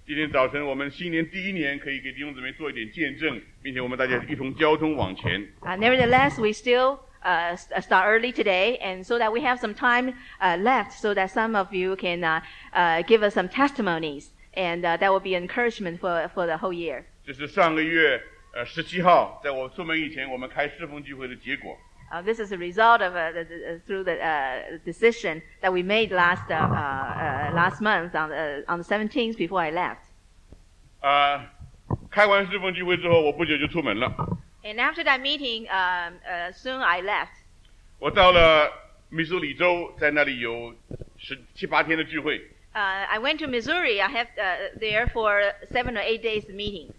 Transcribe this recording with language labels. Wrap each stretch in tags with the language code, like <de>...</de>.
<zh>今天早晨我们新年第一年可以给弟兄姊妹做一点见证并且我们大家一同交通往前。</zh> <en>Nevertheless, we still, start early today and so that we have some time, left so that some of you can, give us some testimonies and, that will be encouragement for the whole year.</en> <zh>这是上个月17号在我出门以前我们开侍奉聚会的结果。</zh> <en>This is a result of through the decision that we made last month on the 17th before I left.</en> <zh>开完侍奉聚会之后，我不久就出门了。</zh> <en>And after that meeting, soon I left.</en> <zh>我到了密苏里州，在那里有17-18天的聚会。</zh> <en>I went to Missouri. I have there for 7 or 8 days meeting.</en>